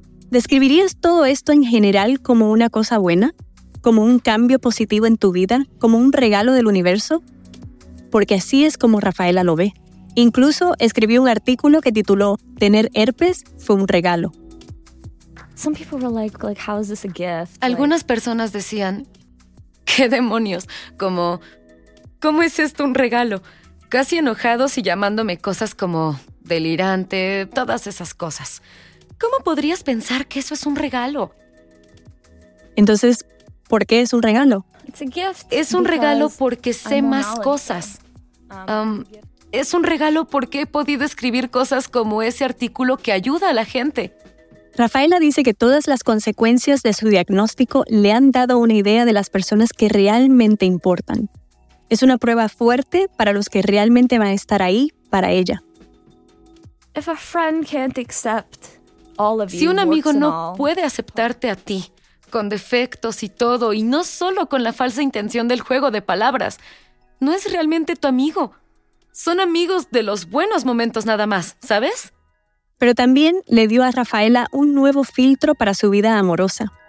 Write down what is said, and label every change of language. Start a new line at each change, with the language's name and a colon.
Spanish: ¿Describirías todo esto en general como una cosa buena? ¿Como un cambio positivo en tu vida? ¿Como un regalo del universo? Porque así es como Rafaela lo ve. Incluso escribió un artículo que tituló «Tener herpes fue un regalo».
English: Some people were like, how is this a gift?
Spanish: Algunas personas decían, ¿qué demonios? Como, ¿cómo es esto un regalo? Casi enojados y llamándome cosas como delirante, todas esas cosas. ¿Cómo podrías pensar que eso es un regalo? Entonces, ¿por qué es un regalo?
English: It's a gift.
Spanish: Es un regalo porque sé más cosas. Es un regalo porque he podido escribir cosas como ese artículo que ayuda a la gente. Rafaela dice que todas las consecuencias de su diagnóstico le han dado una idea de las personas que realmente importan. Es una prueba fuerte para los que realmente van a estar ahí para ella.
English: If a friend can't accept all of you,
Spanish: si un amigo no puede aceptarte a ti, con defectos y todo, y no solo con la falsa intención del juego de palabras, no es realmente tu amigo. Son amigos de los buenos momentos nada más, ¿sabes? Pero también le dio a Rafaela un nuevo filtro para su vida amorosa.